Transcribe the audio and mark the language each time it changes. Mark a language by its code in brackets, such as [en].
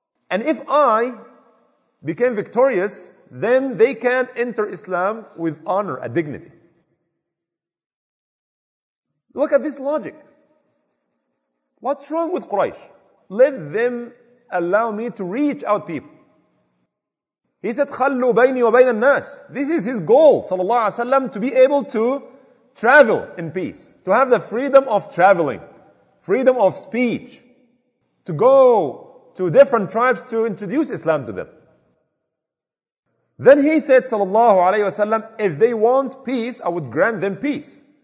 [en] And if I became victorious, then they can enter Islam with honor and dignity. Look at this logic. What's wrong with Quraysh? Let them allow me to reach out people. He said, [ar] خَلُّ بَيْنِي وَبَيْنَ النَّاسِ. [en] This is his goal, sallallahu alayhi wa sallam, to be able to travel in peace, to have the freedom of traveling, freedom of speech, to go to different tribes to introduce Islam to them. Then he said, sallallahu alayhi wa sallam, if they want peace, I would grant them peace.